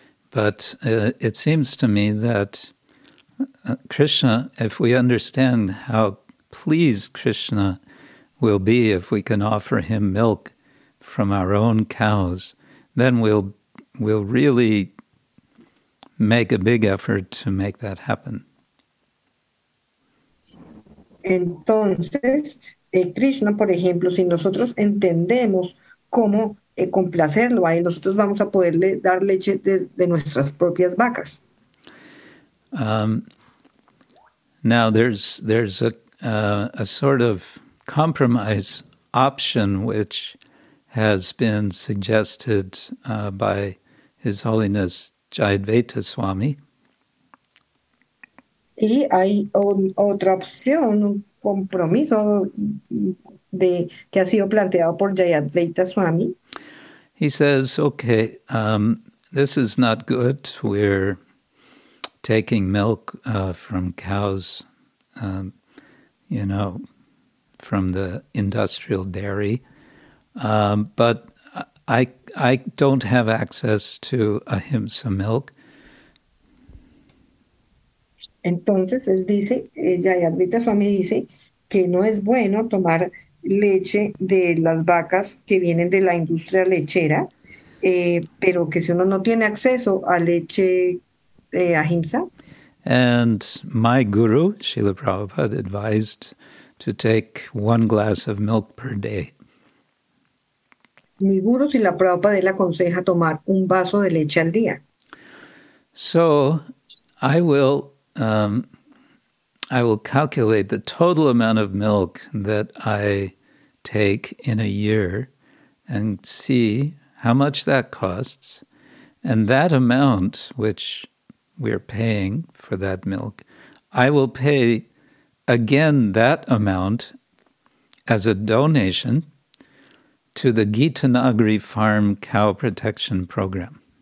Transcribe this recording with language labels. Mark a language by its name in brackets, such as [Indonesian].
[English] But it seems to me that Krishna, if we understand how pleased Krishna will be if we can offer him milk from our own cows, then we'll really make a big effort to make that happen. [Spanish] Entonces, Krishna, por ejemplo, si nosotros entendemos cómo complacerlo a él, nosotros vamos a poderle dar leche de nuestras propias vacas. [English] Now, there's a sort of compromise option which has been suggested by His Holiness Jayadvaita Swami. [Spanish] Y hay otra opción, un compromiso que ha sido planteado por Jayadvaita Swami. [English] He says, okay, this is not good. We're taking milk from cows, you know, from the industrial dairy. But I don't have access to ahimsa milk. [Spanish] Entonces él dice, ella y Advaita Swami dice que no es bueno tomar leche de las vacas que vienen de la industria lechera, pero que si uno no tiene acceso a leche ahimsa. [English] And my guru, Srila Prabhupada, advised to take one glass of milk per day. [Spanish] Mi guru Srila Prabhupada le aconseja tomar un vaso de leche al día. [English] So I will calculate the total amount of milk that I take in a year and see how much that costs. And that amount, which we're paying for that milk, I will pay again that amount as a donation to the Gitanagari Farm Cow Protection Program.